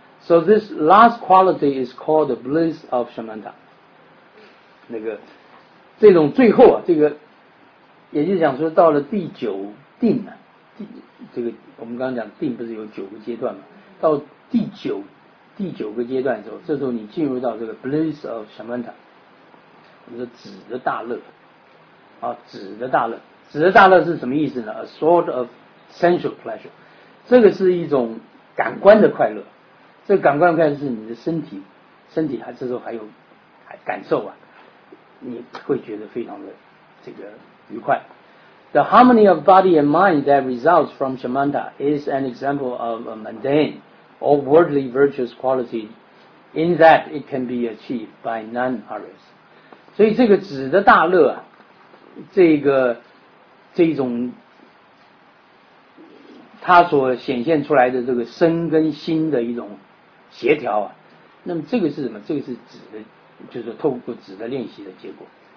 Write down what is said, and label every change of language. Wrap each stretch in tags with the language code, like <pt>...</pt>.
<en>So this last quality is called the bliss of samatha。</en> <zh>那个这种最后啊，这个也就是讲说，到了第九定啊，这个我们刚刚讲定不是有九个阶段嘛？到第九个阶段的时候，这时候你进入到这个</zh> <en>bliss of samatha，</en> <zh>我们说止的大乐啊，止的大乐。止的大乐是什么意思呢？</zh> <en>A sort of sensual pleasure，</en> <zh>这个是一种感官的快乐。这个感官的快乐是你的身体还这时候还感受啊，你会觉得非常的这个愉快。</zh> <en>The harmony of body and mind that results from samatha is an example of a mundane or worldly virtuous quality in that it can be achieved by none others。</en> <zh>所以这个止的大乐啊，这种它所显现出来的这个身跟心的一种协调啊，那么这个是什么？这个是止的，就是透过止的练习的结果。</zh>